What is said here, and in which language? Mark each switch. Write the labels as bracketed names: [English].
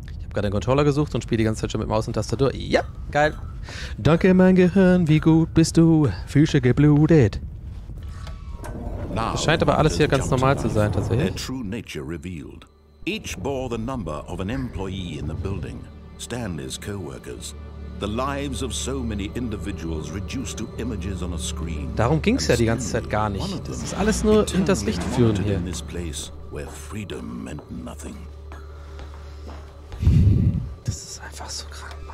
[German] Gerade den Controller gesucht und spiele die ganze Zeit schon mit Maus und Tastatur. Ja, geil. Danke, mein Gehirn, wie gut bist du? Füße geblutet. Es scheint aber alles hier ganz normal zu sein, tatsächlich. [English] Their true nature revealed. Each bore the number of an employee in the building, Stanley's co-workers. The lives of so many individuals reduced to images on a screen. [German] Darum ging es ja die ganze Zeit gar nicht. Das ist alles nur hinters Licht führen hier. [English] In this place where freedom meant nothing. [German] Das ist einfach so krass.